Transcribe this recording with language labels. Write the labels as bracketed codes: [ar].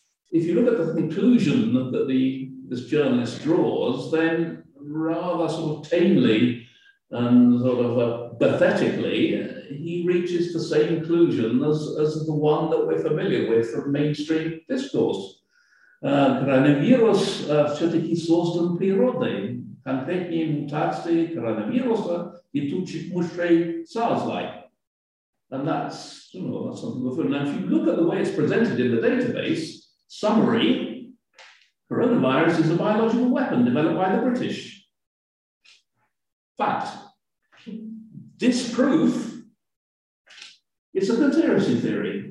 [en] If you look at the conclusion that this journalist draws, then rather sort of tamely and sort of pathetically, he reaches the same conclusion as the one that we're familiar with from mainstream discourse. [ru] Коронавирус все-таки создан природой. Конкретные мутации коронавируса летучих мышей SARS-like. [en] And that's something different. Now, if you look at the way it's presented in the database, summary, coronavirus is a biological weapon developed by the British. Fact. Disproof, it's a conspiracy theory.